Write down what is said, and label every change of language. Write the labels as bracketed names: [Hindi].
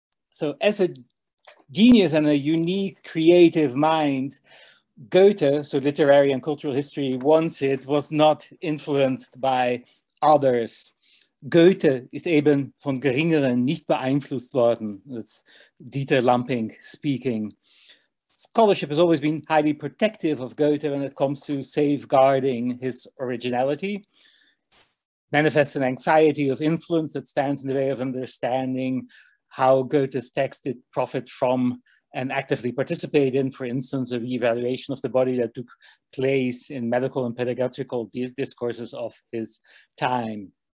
[English] So as a genius and a unique creative mind, Goethe, so literary and cultural history, wants it, was not influenced by others. [German] Goethe ist eben von Geringeren nicht beeinflusst worden. [English] That's Dieter Lamping speaking. Scholarship has always been highly protective of Goethe when it comes to safeguarding his originality. Manifests an anxiety of influence that stands in the way of understanding how Goethe's text did profit from and actively participate in, for instance, a reevaluation of the body that took place in medical and pedagogical discourses of his time.